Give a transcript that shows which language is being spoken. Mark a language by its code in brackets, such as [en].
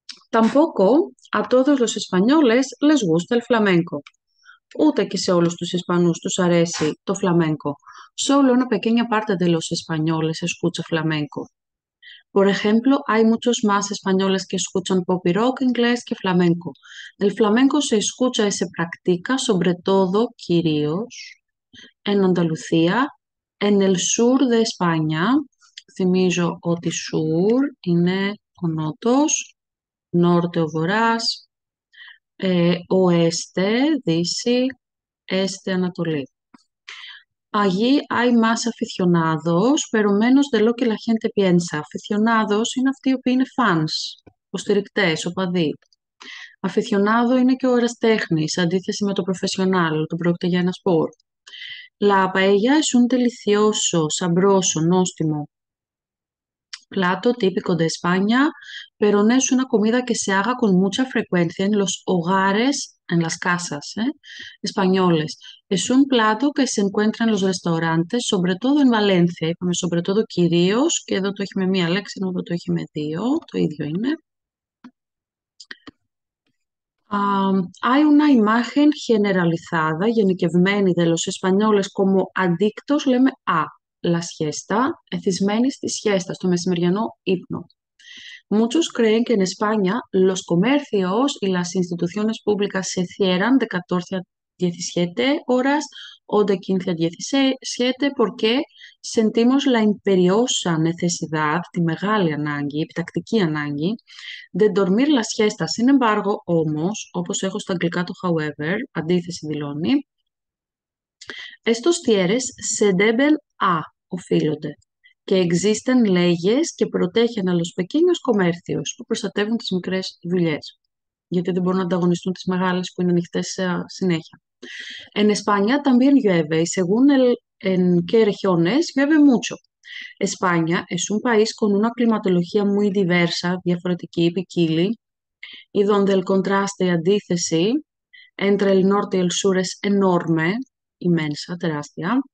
[es] Tampoco a todos los españoles les gusta el flamenco. [el] Ούτε και σε όλους τους Ισπανούς τους αρέσει το flamenco. [es] Solo una pequeña parte de los españoles escucha flamenco. Por ejemplo, hay muchos más españoles que escuchan pop y rock, inglés que flamenco. El flamenco se escucha y se practica, sobre todo, κυρίως, en Andalucía, en el sur de España. [el] Θυμίζω ότι sur είναι ο νότος, norte ο βορράς, oeste, δύση, este, ανατολή. [es] Allí hay más aficionados, pero menos de lo que la gente piensa. [el] Aficionados είναι αυτοί οι οποίοι είναι fans, υποστηρικτές, οπαδοί. Αφιθιονάδο είναι και ο εραστέχνης, αντίθεση με το professional, όταν πρόκειται για ένα σπορ. [es] La paella es un delicioso, sabroso, nóstimo plato típico de España, pero no es una comida que se haga con mucha frecuencia en los hogares, en las casas, españoles. Es un plato que se encuentra en los restaurantes, sobre todo en Valencia, [el] είπαμε, sobre todo κυρίως, και εδώ το έχει με μία λέξη, ενώ εδώ το έχει με δύο, το ίδιο είναι. [es] Hay una imagen generalizada, γενικευμένη, de los españoles como adictos, λέμε, a la siesta, [el] εθισμένη στη siesta, στο μεσημεριανό ύπνο. [es] Muchos creen que en España los comercios y las instituciones públicas se cierran de 14 a 17 horas o de 15 a 17 porque sentimos la imperiosa necesidad, [el] τη μεγάλη ανάγκη, επιτακτική ανάγκη, [es] de dormir la siesta. Sin embargo, [el] όμως, όπως έχω στα αγγλικά το however, αντίθεση δηλώνει, [es] estos cierres se deben a, [el] οφείλονται, [es] que existen leyes que protegen a los pequeños comercios, [el] που προστατεύουν τις μικρές δουλειές, γιατί δεν μπορούν να ανταγωνιστούν τις μεγάλες που είναι ανοιχτές συνέχεια. [es] En España también llueve, y según en qué regiones, llueve mucho. España es un país con una climatología muy diversa, [el] διαφορετική, ποικίλη, [es] y donde el contraste y antítesis entre el norte y el sur es enorme, inmensa, τεράστια.